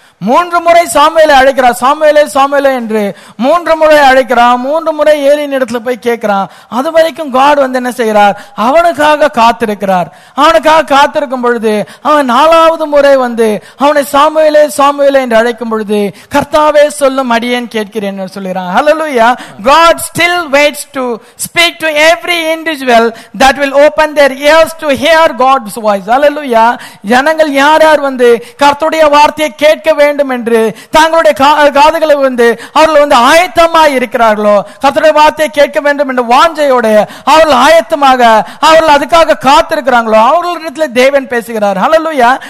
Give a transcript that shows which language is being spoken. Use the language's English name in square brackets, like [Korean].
[Tamil] மூன்று முறை சாமுவேலை அழைக்கிறார், சாமுவேலே சாமுவேலே என்று மூன்று முறை அழைக்கிறான். மூன்று முறை ஏலியின் இடத்துல போய் கேட்கிறான். அது வரைக்கும் காட் வந்து என்ன செய்யறார், அவனுக்காக காத்திருக்கிறார். அவனுக்காக காத்திருக்கும் பொழுது அவன் நாலாவது முறை வந்து அவனை சாமுவேலே சாமுவேலே என்று அழைக்கும் பொழுது கர்த்தாவே சொல்லும் அடியேன் கேட்கிறேன் என்று சொல்லுகிறான். ஹல்லேலூயா. [English] God still waits to speak to every individual that will open their ears to hear God's voice. [Tamil] ஹல்லேலூயா. ஜனங்கள் யார் யார் வந்து கர்த்தருடைய வார்த்தையை கேட்க வேண்டும் என்று தங்களுடைய காதுகளை வந்து அவர்கள் வந்து ஆயத்தமாக இருக்கிறார்களோ, கர்த்தருடைய வார்த்தையை கேட்க வேண்டும் என்று வாஞ்சையோடு அவர்கள் ஆயத்தமாக அவர்கள் அதுக்காக காத்திருக்கிறார்களோ, அவர்களிடத்தில் தேவன் பேசுகிறார். ஹல்லேலூயா.